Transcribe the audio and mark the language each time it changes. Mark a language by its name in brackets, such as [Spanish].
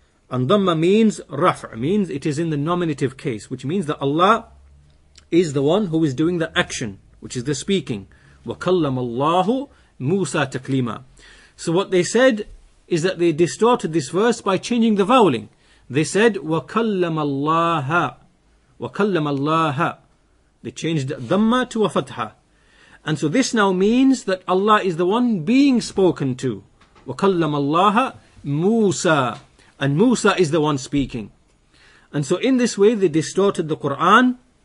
[English] And dhamma means raf', means it is in the nominative case, which means that Allah is the one who is doing the action, which is the speaking. [Arabic] وَكَلَّمَ اللَّهُ مُوسَى تَكْلِيمًا. [English] So what they said is that they distorted this verse by changing the voweling. They said, [Arabic] وَكَلَّمَ اللَّهَ وَكَلَّمَ اللَّهَ. [English] They changed dhamma to a fatha. And so this now means that Allah is the one being spoken to. [Arabic] وَكَلَّمَ اللَّهَ مُوسَى. [English] And Musa is the one speaking. And so in this way they distorted the Qur'an.